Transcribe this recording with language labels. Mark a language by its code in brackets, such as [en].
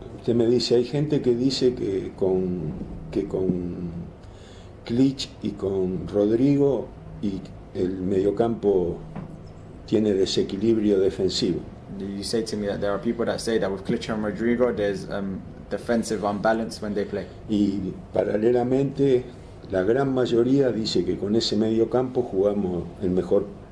[es] Usted me dice, hay gente que dice que con Klitsch y con Rodrigo y el mediocampo tiene desequilibrio defensivo. [en] You say to me that there are people that say that with Klitsch and Rodrigo there's defensive imbalance when they play. [es] Y paralelamente, la gran mayoría dice que con ese medio campo jugamos el mejor